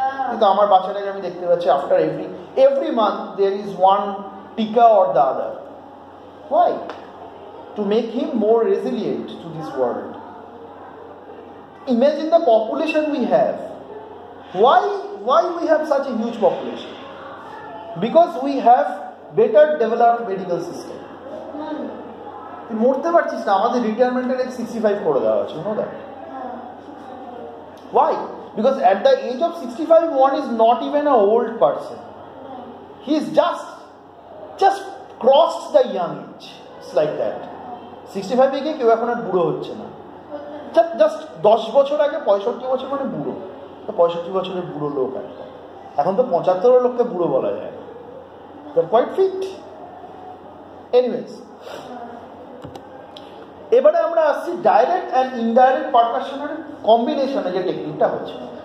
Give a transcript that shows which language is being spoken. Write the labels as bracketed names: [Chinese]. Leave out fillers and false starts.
[Bangla] কিন্তু আমার বাচ্চাটাকে আমি দেখতে পাচ্ছি [English] after every month there is one tika or the other. Why? To make him more resilient to this world. Imagine the population we have. Why we have such a huge population? Because we have better developed medical system. [Bangla] মরতে পারছিস না, আমাদের রিটায়ারমেন্টের age 65 করে দেওয়া আছে, [English] Know that. Why? Because at the age of 65, one is not even an old person. He is just crossed the young age. It's like that. [Bangla] 65 age কেউ এখন আর বুড়ো হচ্ছে না. Just 10 বছর আগে 65 বছর মানে বুড়ো, তো 65 বছরের বুড়ো লোক আর এখন তো 75 লোককে বুড়ো বলা যায়, [English] They are quite fit. [Bangla] এনিওয়েজ, এবারে আমরা আসছি ডাইরেক্ট অ্যান্ড ইনডাইরেক্ট পারকাশনের কম্বিনেশনে যে টেকনিকটা হচ্ছে.